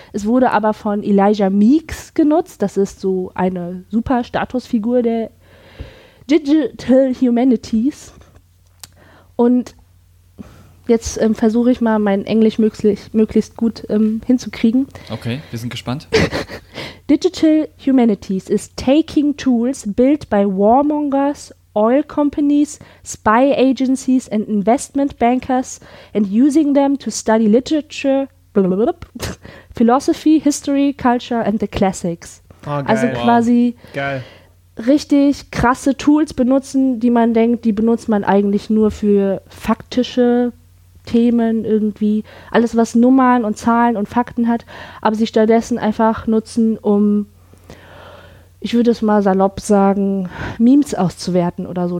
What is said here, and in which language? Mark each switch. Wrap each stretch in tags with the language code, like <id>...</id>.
<de>Es wurde aber von Elijah Meeks genutzt. Das ist so eine super Statusfigur der Digital Humanities. Und jetzt versuche ich mal, mein Englisch möglichst gut hinzukriegen. Okay, wir sind gespannt.</de> <en>Digital Humanities is taking tools built by warmongers, oil companies, spy agencies and investment bankers and using them to study literature, blah, blah, blah, philosophy, history, culture and the classics.</en> <de>Oh, geil. Also quasi richtig krasse Tools benutzen, die man denkt, die benutzt man eigentlich nur für faktische Themen irgendwie. Alles, was Nummern und Zahlen und Fakten hat, aber sie stattdessen einfach nutzen, um, ich würde es mal salopp sagen, Memes auszuwerten oder so.</de>